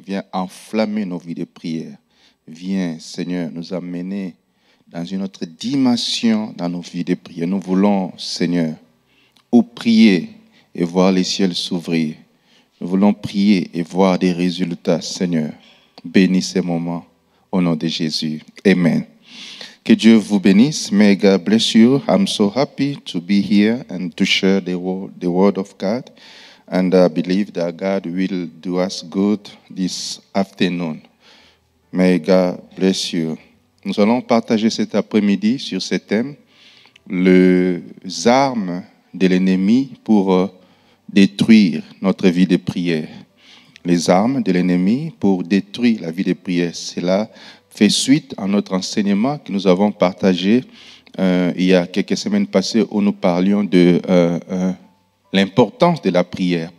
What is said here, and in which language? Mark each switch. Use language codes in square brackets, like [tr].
[fr] Viens enflammer nos vies de prière. Viens, Seigneur, nous amener dans une autre dimension dans nos vies de prière. Nous voulons, Seigneur, ou prier et voir les cieux s'ouvrir. Nous voulons prier et voir des résultats, Seigneur. Bénis ces moments au nom de Jésus. Amen. Que Dieu vous bénisse. [en] May God bless you. I'm so happy to be here and to share the word of God. And I believe that God will do us good this afternoon. May God bless you. [fr] Nous allons partager cet après-midi sur ce thème, les armes de l'ennemi pour détruire notre vie de prière. Les armes de l'ennemi pour détruire la vie de prière. Cela fait suite à notre enseignement que nous avons partagé il y a quelques semaines passées où nous parlions de l'importance de la prière.